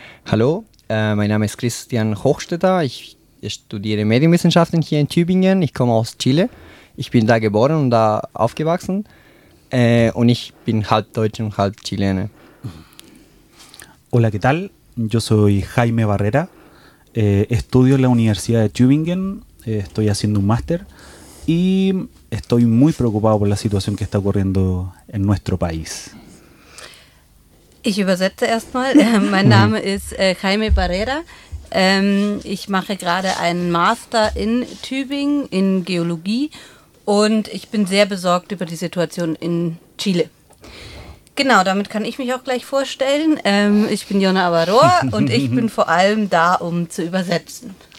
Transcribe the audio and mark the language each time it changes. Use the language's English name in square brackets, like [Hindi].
[German] Hallo, mein Name ist Christian Hochstetter. Ich studiere Medienwissenschaften hier in Tübingen. Ich komme aus Chile. Ich bin da geboren und da aufgewachsen. Und ich bin halb Deutsch und halb Chilene. [Spanish] Hola, ¿qué tal? Yo soy Jaime Barrera. Estudio en la Universidad de Tübingen. Estoy haciendo un máster. Y estoy muy preocupado por la situación que está ocurriendo en nuestro país. [German] Ich übersetze erstmal. Mein Name ist Jaime Barrera. Ich mache gerade einen Master in Tübingen in Geologie und ich bin sehr besorgt über die Situation in Chile. Genau, damit kann ich mich auch gleich vorstellen. Ich bin Jona Avaror und ich bin vor allem da, um zu übersetzen.